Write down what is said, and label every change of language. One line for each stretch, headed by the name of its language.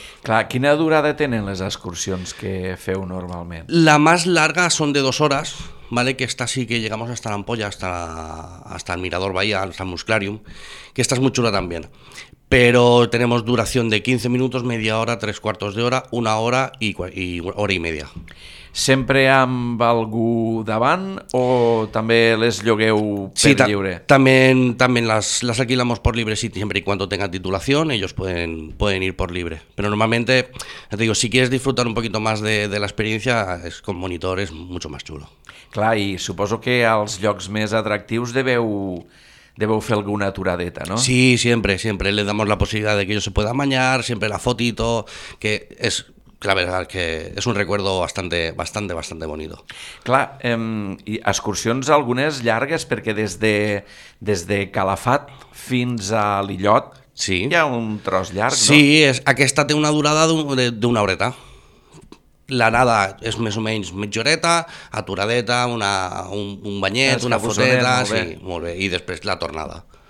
Catalan: Clar, ¿quina durada
Spanish: tienen las excursiones
Catalan: que feu normalmente?
Spanish: La más larga son de 2 horas, ¿vale? Que esta sí que llegamos hasta la Ampolla, hasta el Mirador Bahía, hasta el Musclarium, que esta es muy chula también. Pero tenemos duración de 15 minutos, media hora, tres cuartos de hora, una hora y hora y media.
Catalan: ¿Sempre amb algú davant o també les llogueu per sí, lliure?
Spanish: Sí,
Catalan: també les
Spanish: alquilamos por libre, sí, siempre y cuando tengan titulación, ellos pueden ir por libre. Pero normalmente, te digo, si quieres disfrutar un poquito más de la experiencia, es con monitor, es mucho más chulo.
Catalan: Clar, i suposo que als llocs més atractius debeu fer alguna aturadeta, ¿no?
Spanish: Sí, siempre, siempre. Le damos la posibilidad de que ellos se puedan bañar, siempre la fotito, que es... La verdad que es un recuerdo bastante, bastante, bastante bonito.
Catalan: Clar, i excursions algunes llargues, perquè des de Calafat fins a l'Illot sí. Hi ha un tros llarg, sí, no? Sí, aquesta té una durada d'una horeta. L'anada és més o menys mitja horeta, aturadeta, un banyet, una foteta, sí, molt bé, i després la tornada.